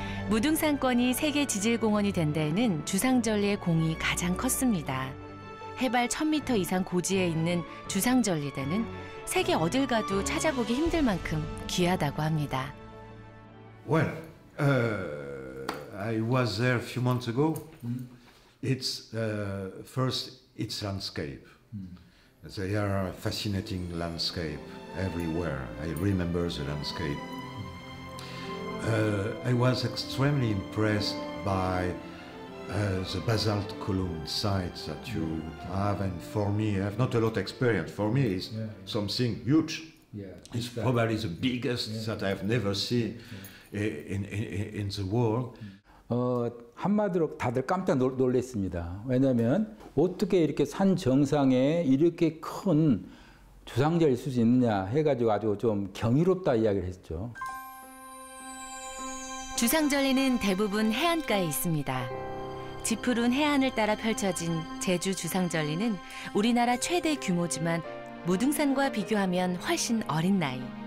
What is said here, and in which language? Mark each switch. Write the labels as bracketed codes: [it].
[ko] 무등산권이 세계 지질공원이 된 데에는 주상절리의 공이 가장 컸습니다. 해발 1000m 이상 고지에 있는 주상절리대는 세계 어딜 가도 찾아보기 힘들 만큼 귀하다고 합니다. [en] Well, I was there a few months ago. It's first, it's landscape. They are a fascinating landscape everywhere. I remember the landscape. I was extremely impressed by the basalt column sites that you have, and for me, I have not a lot of experience. For me, it's something huge. Yeah, it's probably the biggest that I have never seen in the world. [ko] 한마디로 다들 깜짝 놀랐습니다. 왜냐하면 어떻게 이렇게 산 정상에 이렇게 큰 주상절리 수지 있느냐 해가지고 아주 좀 경이롭다 이야기를 했죠. 주상절리는 대부분 해안가에 있습니다. 지푸른 해안을 따라 펼쳐진 제주 주상절리는 우리나라 최대 규모지만 무등산과 비교하면 훨씬 어린 나이.